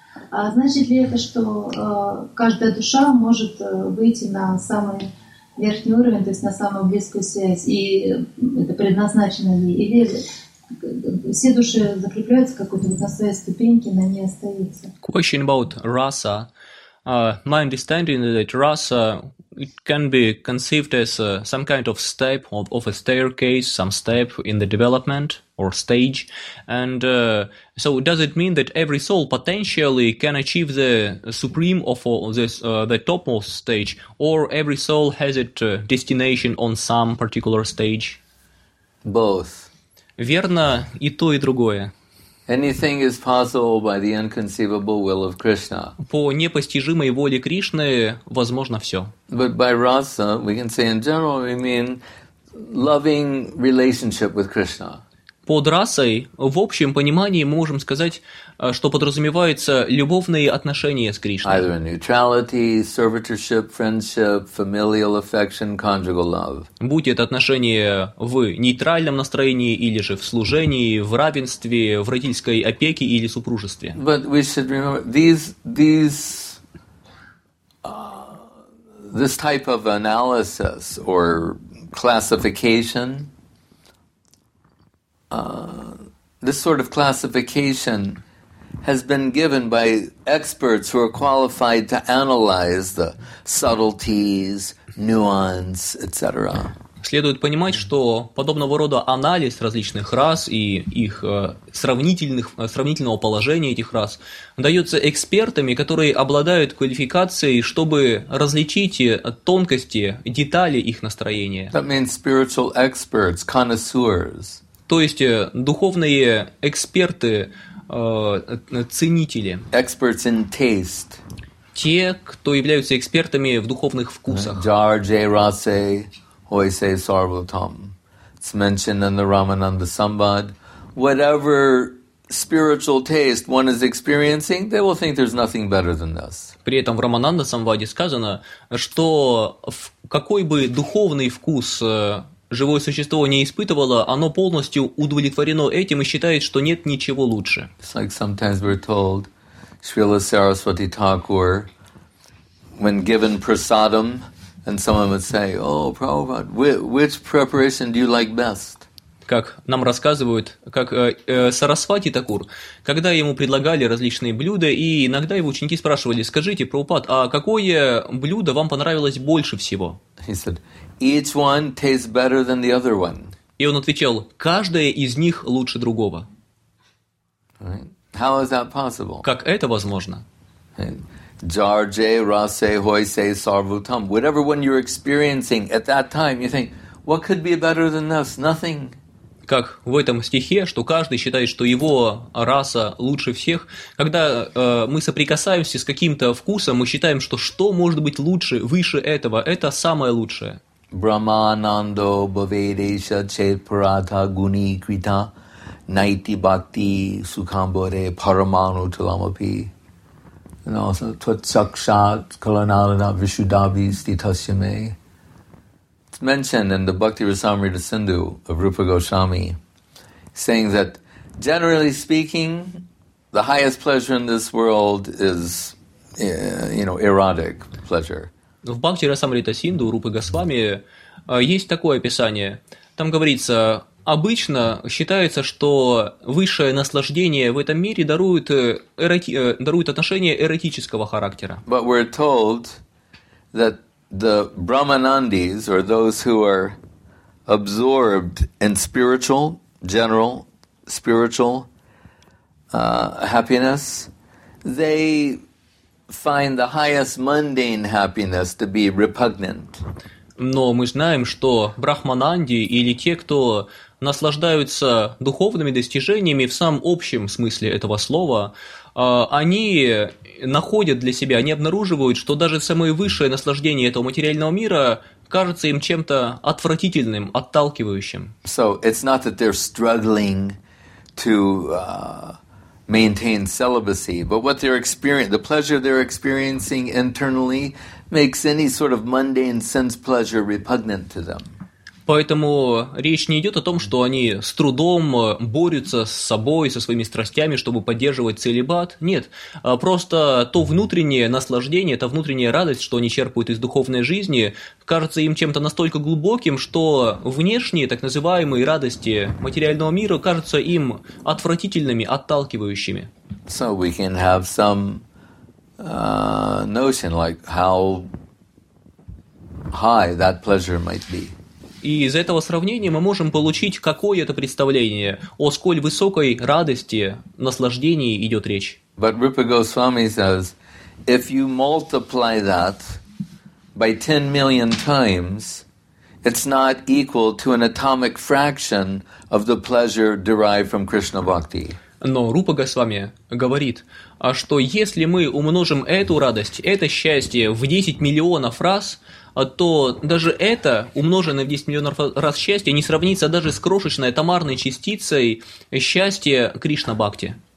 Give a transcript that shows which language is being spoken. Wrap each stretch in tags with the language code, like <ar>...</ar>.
<ru>А значит ли это, что каждая душа может выйти на самый верхний уровень, то есть на самую близкую связь, и это предназначено ли? Или все души закрепляются какой-то вот на своей ступеньке, на ней остаются?</ru> <en>Question about rasa. My understanding is that rasa, it can be conceived as some kind of step of a staircase, some step in the development or stage. And so does it mean that every soul potentially can achieve the supreme of all this, the topmost stage, or every soul has its destination on some particular stage? Both.</en> <ru>Верно, и то, и другое.</ru> <en>Anything is possible by the inconceivable will of Krishna.</en> <ru>По непостижимой воле Кришны возможно все.</ru> <en>But by rasa, we can say in general, we mean loving relationship with Krishna.</en> <ru>Под расой в общем понимании можем сказать, что подразумеваются любовные отношения с Кришной.</ru> <en>Either neutrality, servitorship, friendship, familial affection, conjugal love.</en> <ru>Будь это отношение в нейтральном настроении или же в служении, в равенстве, в родительской опеке или супружестве.</ru> <en>But we should remember this type of analysis or classification. This sort of classification has been given by experts who are qualified to analyze the subtleties, nuance, etc.</en> <ru>Следует понимать, что подобного рода анализ различных рас и их сравнительного положения этих рас дается экспертами, которые обладают квалификацией, чтобы различить тонкости, детали их настроения.</ru> <en>That means spiritual experts, connoisseurs.</en> <ru>То есть духовные эксперты, ценители.</ru> <en>Experts in taste.</en> <ru>Те, кто являются экспертами в духовных вкусах.</ru> <bn>Jarje rase hoise sarvatam.</bn> <en>It's mentioned in the Ramananda Sambhad. Whatever spiritual taste one is experiencing, they will think there's nothing better than this.</en> <ru>При этом в Рамананда Самваде сказано, что какой бы духовный вкус живое существо не испытывало, оно полностью удовлетворено этим и считает, что нет ничего лучше.</ru> <en>It's like sometimes we're told, Srila Saraswati Thakur, when given prasadam, and someone would say, oh, Prabhupada, which preparation do you like best?</en> <ru>Как нам рассказывают, как Сарасвати Такур, когда ему предлагали различные блюда, и иногда его ученики спрашивали, скажите, Прабхупад, а какое блюдо вам понравилось больше всего?</ru> <en>He said, each one tastes better than the other one.</en> <ru>И он отвечал, каждое из них лучше другого.</ru> <en>How is that possible?</en> <ru>Как это возможно?</ru> <bn>Jarje, rase, hoise, sarvutam.</bn> <en>Whatever one you're experiencing at that time, you think, what could be better than this? Nothing.</en> <ru>Как в этом стихе, что каждый считает, что его раса лучше всех. Когда мы соприкасаемся с каким-то вкусом, мы считаем, что может быть лучше, выше этого. Это самое лучшее.</ru> <sa>Брахманандо бхавейдеша чепрата гуни крита найти бхакти сукамборе параману таламапи.</sa> <en>And also</en> <sa>тотсакшат каланалана вишудаби ститасьяме.</sa> <en>Mentioned in the Bhakti Rasamrita Sindhu of Rupa Goswami, saying that generally speaking, the highest pleasure in this world is, you know, erotic pleasure.</en> <ru>В Бхакти Расамрита Синду Рупы Госвами есть такое описание. Там говорится, обычно считается, что высшее наслаждение в этом мире дарует отношения эротического характера.</ru> <en>But we're told that the Brahmanandis, or those who are absorbed in spiritual, general, spiritual happiness, they find the highest mundane happiness to be repugnant.</en> <ru>Но мы знаем, что Брахмананди или те, кто наслаждаются духовными достижениями в самом общем смысле этого слова, они находят для себя, они обнаруживают, что даже самое высшее наслаждение этого материального мира кажется им чем-то отвратительным, отталкивающим.</ru> <en>So it's not that they're struggling to maintain celibacy, but what they're experiencing, the pleasure they're experiencing internally, makes any sort of mundane sense pleasure repugnant to them.</en> <ru>Поэтому речь не идет о том, что они с трудом борются с собой, со своими страстями, чтобы поддерживать целибат. Нет, просто то внутреннее наслаждение, та внутренняя радость, что они черпают из духовной жизни, кажется им чем-то настолько глубоким, что внешние так называемые радости материального мира кажутся им отвратительными, отталкивающими.</ru> <en>So we can have some notion like how high that pleasure might be.</en> <ru>И из этого сравнения мы можем получить какое-то представление о сколь высокой радости, наслаждении идет речь.</ru> <en>But Rupa Goswami says, if you multiply that by 10 million times, it's not equal to an atomic fraction of the pleasure derived from Krishna bhakti.</en> <ru>Но Рупа Госвами говорит, что если мы умножим эту радость, это счастье в 10 миллионов раз, то даже это, умноженное в 10 миллионов раз счастье, не сравнится даже с крошечной атомарной частицей счастья Кришна Бхакти.</ru>